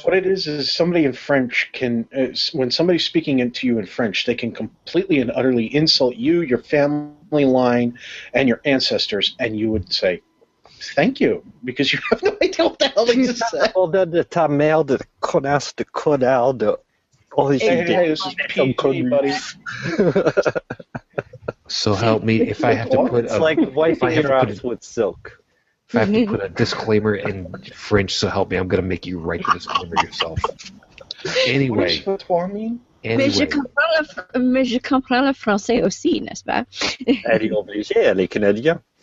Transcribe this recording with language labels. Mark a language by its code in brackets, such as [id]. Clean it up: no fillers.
[en] what it is somebody in French can, when somebody's speaking to you in French, they can completely and utterly insult you, your family line, and your ancestors, and you would say, thank you, because you have no idea what the hell they just said. Well, then [fr] ta mère de connasse de connard de... [en] Hey, this is PG, buddy. So help me, if I have to put... It's like wiping your ass with silk. If I have to put a disclaimer in French, so help me, I'm going to make you write the disclaimer yourself. Anyway. What does foutoir mean? Anyway. [fr] Mais je comprends le français aussi, n'est-ce pas? Elle est obligée, elle est canadienne.